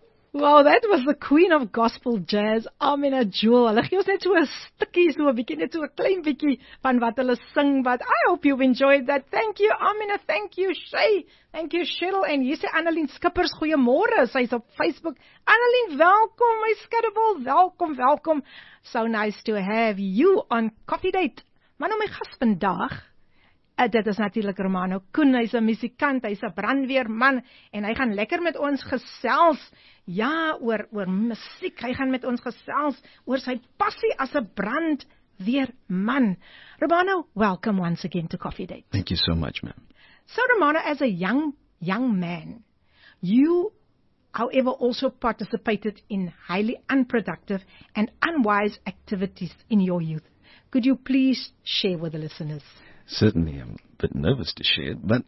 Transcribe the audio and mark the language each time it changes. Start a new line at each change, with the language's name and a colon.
English: Well, that was the queen of gospel jazz, Amina Jewel.
Afrikaans: Hulle gee ons net so 'n stukkie, so 'n bietjie, net so 'n klein bietjie van wat hulle sing.
English: But I hope you've enjoyed that. Thank you, Amina. Thank you, Shay. Thank you, Cheryl.
Afrikaans: En hier sê Annelien Skippers, goeiemôre. Sy is op Facebook. Annelien, welkom, my skattebol. Welkom.
English: So nice to have you on Coffee Date.
Afrikaans: Maar nou my gas vandag. Dit is natuurlik Romano Koen, hy's 'n musikant, hy's 'n brandweerman en hy gaan lekker met ons gesels. Ja, oor musiek. Hy gaan met ons gesels oor sy passie as 'n brandweerman.
English: Romano, welcome once again to Coffee Date. Thank you so much, ma'am. So Romano, as a young man, you however also participated in highly unproductive and unwise activities in your youth. Could you please share with the listeners? Certainly, I'm a bit nervous to share it, but